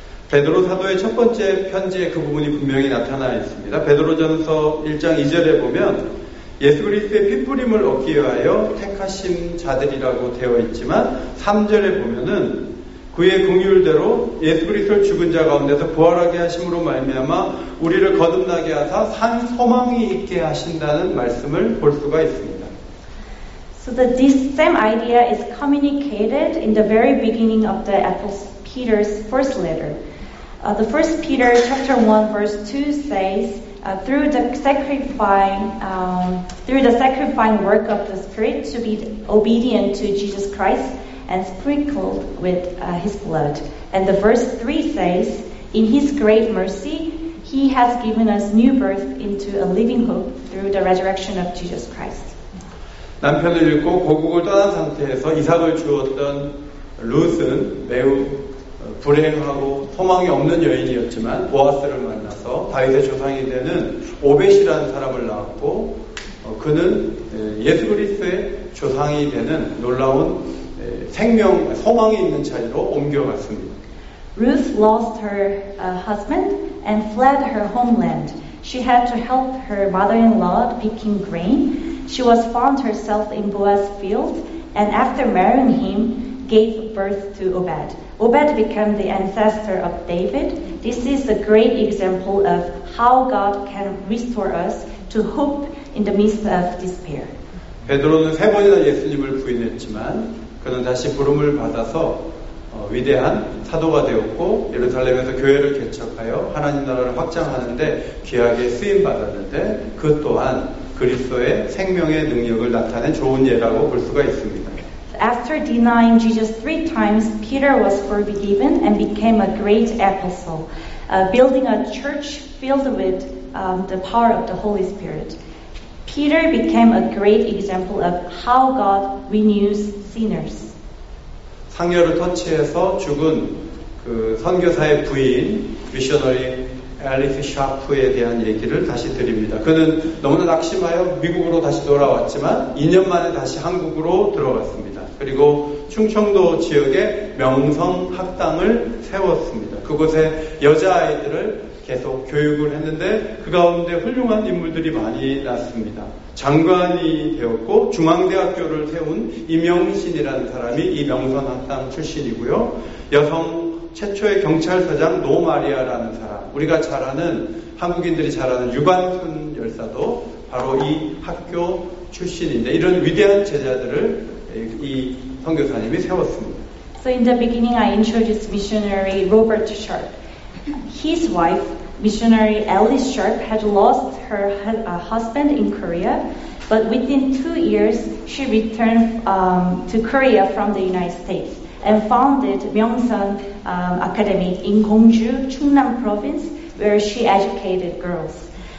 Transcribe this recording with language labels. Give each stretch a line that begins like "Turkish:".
Korean: 베드로 사도의 첫 번째 편지에 그 부분이 분명히 나타나 있습니다. 베드로전서 1장 2절에 보면 예수 그리스도의 피뿌림을 얻기 위하여 택하신 자들이라고 되어 있지만 3절에 보면은 그의 긍휼대로 예수 그리스도를 죽은 자 가운데서 부활하게 하심으로 말미암아 우리를 거듭나게 하사 산 소망이 있게 하신다는 말씀을 볼 수가 있습니다.
English: So this same idea is communicated in the very beginning of the Peter's first letter. The first Peter chapter 1 verse 2 says, through the sacrificing work of the Spirit to be obedient to Jesus Christ and sprinkled with his blood. And the verse 3 says, in his great mercy, he has given us new birth into a living hope through the resurrection of Jesus Christ.
Korean: 남편을 잃고 고국을 떠난 상태에서 이삭을 주었던 루스는 매우 불행하고 소망이 없는 여인이었지만 보아스를 만나서 다윗의 조상이 되는 오벳이라는 사람을 낳았고 그는 예수 그리스도의 조상이 되는 놀라운 생명, 소망이 있는 자리로 옮겨갔습니다.
English: Ruth lost her husband and fled her homeland. She had to help her mother-in-law picking grain. She was found herself in Boaz's field and after marrying him, gave birth to Obed. Obed became the ancestor of David. This is a great example of how God can restore us to hope in the midst of despair.
Korean: 베드로는 세 번이나 예수님을 부인했지만 그는 다시 부름을 받아서 위대한 사도가 되었고 예루살렘에서 교회를 개척하여 하나님 나라를 확장하는데 귀하게 쓰임 받았는데 그 또한 그리스도의 생명의 능력을 나타낸 좋은 예라고 볼 수가 있습니다.
English: After denying Jesus 3 times, Peter was forgiven and became a great apostle, building a church filled with the power of the Holy Spirit. Peter became a great example of how God renews sinners.
Korean: 상여를 터치해서 죽은 그 선교사의 부인, 미셔너리 앨리스 샤프에 대한 얘기를 다시 드립니다. 그는 너무나 낙심하여 미국으로 다시 돌아왔지만 2년 만에 다시 한국으로 들어갔습니다. 그리고 충청도 지역에 명성학당을 세웠습니다. 그곳에 여자아이들을 계속 교육을 했는데 그 가운데 훌륭한 인물들이 많이 났습니다. 장관이 되었고 중앙대학교를 세운 이명신이라는 사람이 이 명성학당 출신이고요. 여성 최초의 경찰서장 노마리아라는 사람, 우리가 잘 아는 한국인들이 잘 아는 유관순 열사도 바로 이 학교 출신인데 이런 위대한 제자들을 이 선교사님이 세웠습니다.
English: So in the beginning, I introduced missionary Robert Sharp. His wife, missionary Alice Sharp, had lost her husband in Korea, but within 2 years, she returned to Korea from the United States and founded Myeongseon Academy in Gongju, Chungnam province, where she educated girls.